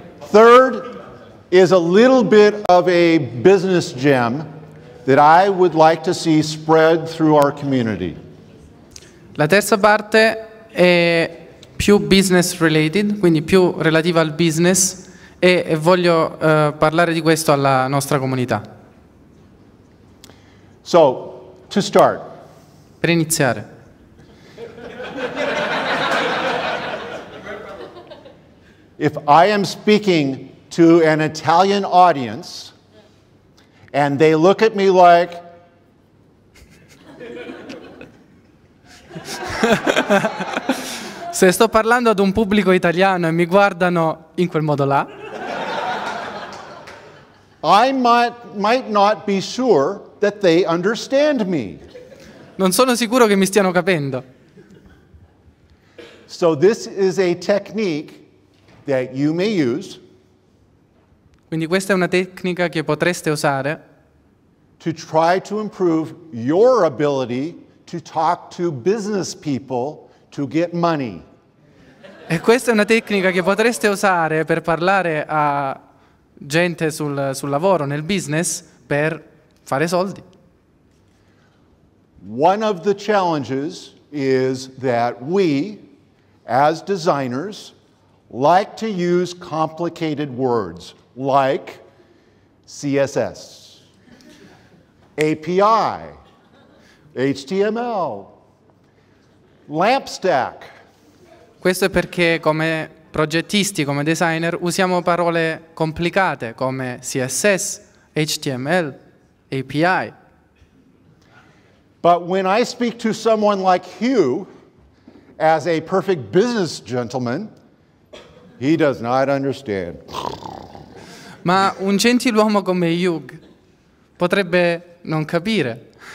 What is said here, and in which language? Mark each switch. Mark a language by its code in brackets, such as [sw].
[en] Third is a little bit of a business gem that I would like to see spread through our community. [it] La terza parte è più business related, quindi più relativa al business. E voglio parlare di questo alla nostra comunità. [en] So, to start. [it] Per iniziare. [en] If I am speaking to an Italian audience and they look at me like... [it] Se sto parlando ad un pubblico italiano e mi guardano in quel modo là... [en] I might not be sure that they understand me. [it] Non sono sicuro che mi stiano capendo. [en] So this is a technique that you may use. [it] Quindi questa è una tecnica che potreste usare. [en] To try to improve your ability to talk to business people to get money. [it] E questa è una tecnica che potreste usare per parlare a gente sul lavoro, nel business, per fare soldi. [en] One of the challenges is that we, as designers, like to use complicated words like CSS, API, HTML, lamp stack. [it] Questo è perché come progettisti, come designer, usiamo parole complicate come CSS, HTML, API. [en] But when I speak to someone like Hugh, as a perfect business gentleman, he does not understand. [it] Ma un gentiluomo come Hugh potrebbe non capire.